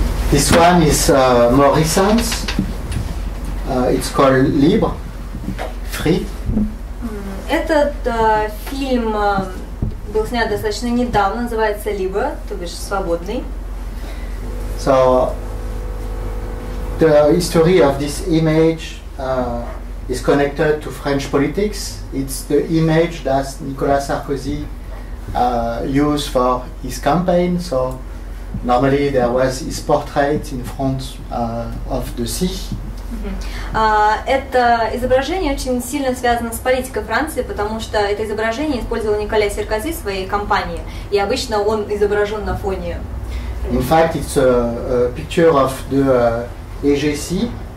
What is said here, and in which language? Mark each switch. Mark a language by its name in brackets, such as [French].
[English] This one is more recent. It's called Libre, Free. [Russian] Этот фильм был снят достаточно недавно, называется Libre, то бишь свободный. [English] So the history of this image is connected to French politics. It's the image that Nicolas Sarkozy used for his campaign. So normally there was his portrait in front of the sea. [Russian] Это изображение очень сильно связано с политикой Франции, потому что это изображение использовал Николя Серкози в своей кампании, и обычно он изображен на фоне. [English] In fact, it's a picture of the Aegean Sea.